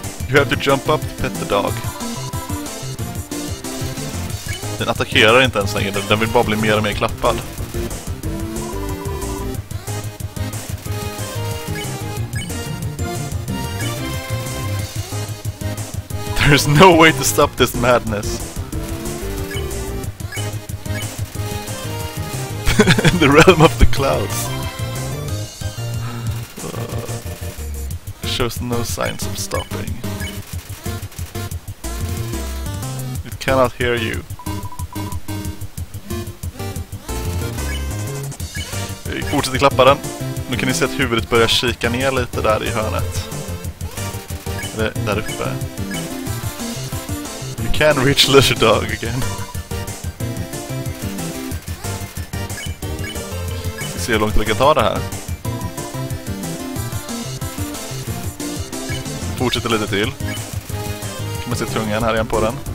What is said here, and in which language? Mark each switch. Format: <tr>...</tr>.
<en>You have to jump up to pet the dog.</en> <sv>Den attackerar inte ens längre. Den vill bara bli mer och mer klappad.</sv> <en>There's no way to stop this madness. In the realm of the clouds. Shows no signs of stopping. It cannot hear you.</en> <sv>Vi fortsätter klappa den. Nu kan ni se att huvudet börjar kika ner lite där i hörnet. Där uppe.</sv> <en>You can reach Lesser Dog again.</en> <sv>Vi ska se hur långt vi kan ta det här. Fortsätter lite till. Kan man se tungan här igen på den.</sv>